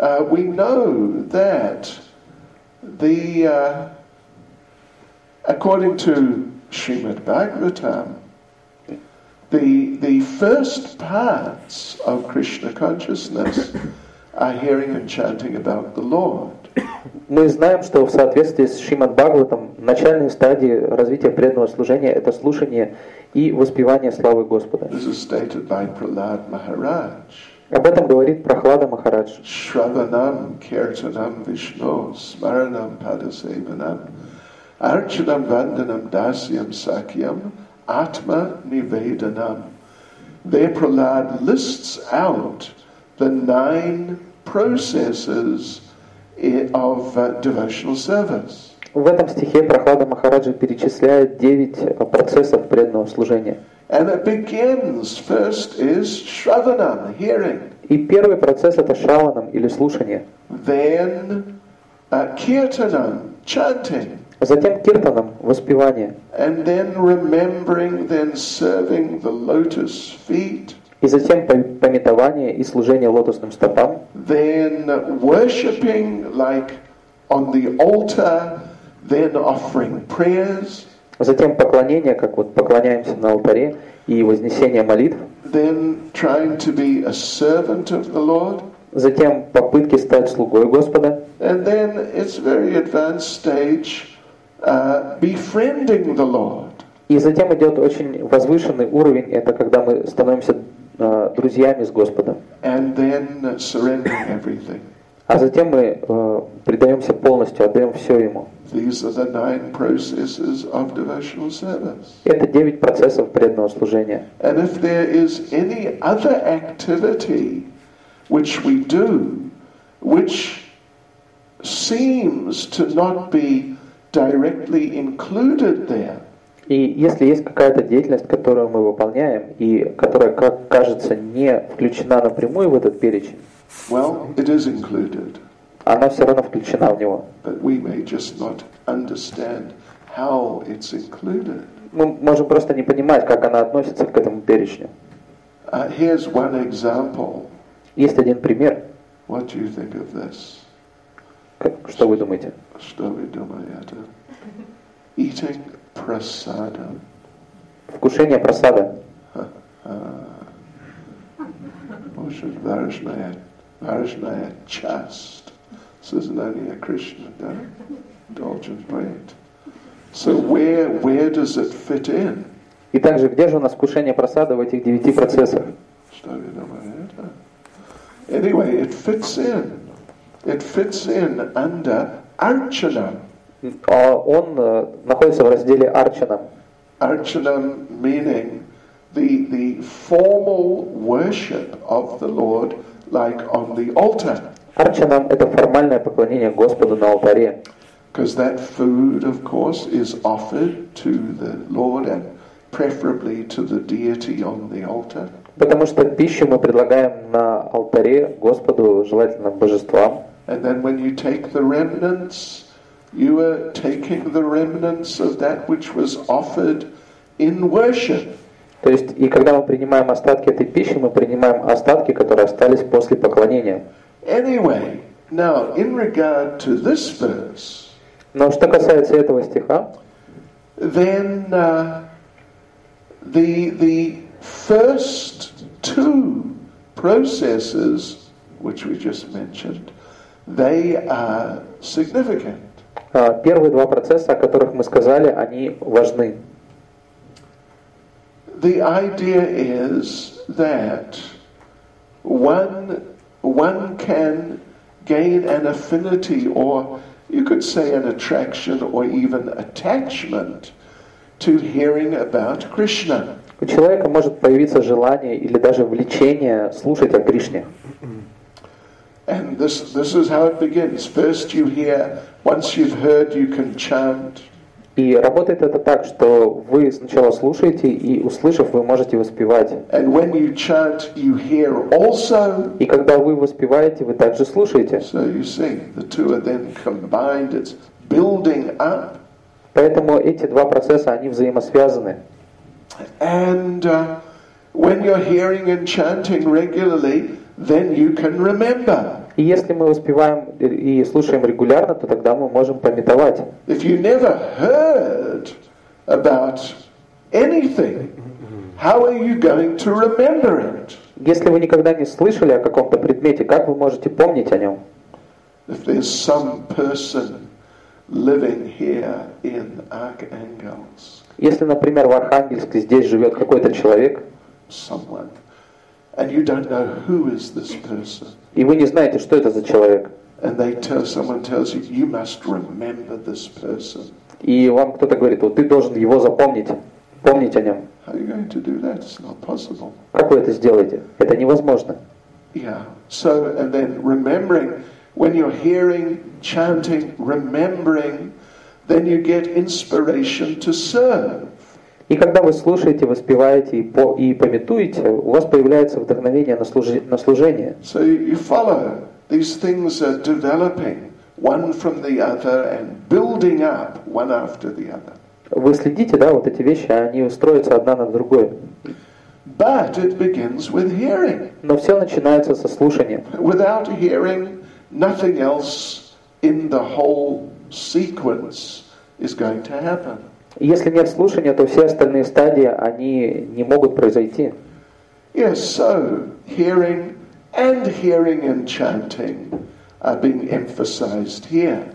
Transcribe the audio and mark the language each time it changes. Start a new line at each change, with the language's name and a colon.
English: We know that the according to Srimad Bhagavatam, the first parts of Krishna consciousness are hearing and chanting about the Lord.
Russian: Мы знаем, что в соответствии с Шримад Бхагаватам начальные стадии развития преданного служения — это слушание и воспевание славы Господа.
English: This is stated by Prahlad Maharaj.
Russian: Об этом говорит Прахлада Махарадж.
Sanskrit: Шраванам, киртанам, вишно, смаранам, падасейванам, арчанам, ванданам, дасиям, сакьям, атма, ниведанам.
English: There Прахлад lists out the nine processes of devotional service.
Russian: В этом стихе Прахлада Махараджа перечисляет 9 процессов преданного служения.
English: And it begins first is shravanam, hearing.
Russian: И первый процесс — это шраванам или слушание.
English: Then kirtanam, chanting.
Russian: Затем киртанам, воспевание.
English: And then remembering, then serving the lotus feet.
Russian: И затем памятование и служение лотосным стопам.
English: Then worshiping, like on the altar, then offering prayers.
Russian: Затем поклонение, как вот поклоняемся на алтаре, и вознесение молитв.
English: Then trying to be a servant of the Lord.
Russian: Затем попытки стать слугой Господа.
English: And then it's very advanced stage, befriending the Lord.
Russian: И затем идет очень возвышенный уровень, это когда мы становимся друзьями с Господом.
English: And then surrendering everything.
Russian: А затем мы предаемся полностью, отдаем все Ему.
English: These are the nine processes of devotional service.
Russian: Это 9 процессов преданного служения.
English: And if there is any other activity which we do, which seems to not be directly included there.
Russian: И если есть какая-то деятельность, которую мы выполняем, и которая, как кажется, не включена напрямую в этот перечень,
English: well, it is included.
Russian: Она все равно включена в него.
English: But we may just not understand how it's included.
Russian: Мы можем просто не понимать, как она относится к этому перечню.
English: Here's one example.
Russian: Есть один пример.
English: What do you think of this?
Russian: Что вы думаете? Что вы думаете?
English: Eating prasadam.
Russian: Вкушение прасада. Может, варишная част.
English: This isn't only a Krishna, no? Indulgent bread. So where does it fit in?
Russian: И также, где же у нас вкушение прасада в этих 9 процессах? Что вы думаете?
English: Anyway, it fits in. It fits in under archanam.
Russian: Он находится в разделе archanam.
English: Archanam meaning the formal worship of the Lord, like on the altar.
Russian: Archanam это формальное поклонение Господу на алтаре.
English: Because that food, of course, is offered to the Lord and preferably to the deity on the altar.
Russian: Потому что пищу мы предлагаем на алтаре Господу, желательно божествам.
English: And then when you take the remnants, you are taking the remnants of that which was offered in worship.
Russian: То есть, и когда мы принимаем остатки этой пищи, мы принимаем остатки, которые остались после поклонения.
English: Anyway, now in regard to this verse.
Russian: Но что касается этого стиха,
English: then the first two processes, which we just mentioned, they are significant.
Russian: Первые два процесса, о которых мы сказали, они важны.
English: The idea is that one can gain an affinity, or you could say an attraction, or even attachment to hearing about Krishna.
Russian: У человека может появиться желание или даже влечение слушать о Кришне.
English: And this is how it begins. First you hear, once you've heard, you can chant.
Russian: И работает это так, что вы сначала слушаете и, услышав, вы можете воспевать.
English: And when you chant, you hear also.
Russian: И когда вы воспеваете, вы также слушаете.
English: So you see, the two are then combined. It's building up.
Russian: Поэтому эти два процесса, они взаимосвязаны.
English: And when you're hearing and chanting regularly, then you can remember.
Russian: И если мы воспеваем и слушаем регулярно, то тогда мы можем памятовать.
English: If you never heard about anything, how are you going to remember it?
Russian: Если вы никогда не слышали о каком-то предмете, как вы можете помнить о нем?
English: If there's some person living here in Arkhangelsk.
Russian: Если, например, в Архангельске здесь живет какой-то человек,
English: someone, and you don't know who is this person,
Russian: и вы не знаете, что это за человек,
English: and they tell, someone tells you, you must remember this person,
Russian: и вам кто-то говорит, вот ты должен его запомнить, помнить о нем.
English: How are you going to do that? It's not possible.
Russian: Как вы это сделаете? Это невозможно.
English: Yeah. So and then remembering, when you're hearing, chanting, remembering. Then you get inspiration to serve.
Russian: И когда вы слушаете, воспеваете и памятуете, у вас появляется вдохновение на служение.
English: So you follow. These things are developing one from the other and building up one after the other.
Russian: Вы следите, да, вот эти вещи, они устроятся одна на другой.
English: But it begins with hearing.
Russian: Но все начинается со слушания.
English: Without hearing, nothing else in the whole sequence is going to happen.
Russian: Если нет слушания, то все остальные стадии, они не могут произойти.
English: Yes, so hearing and hearing and chanting are being emphasized here.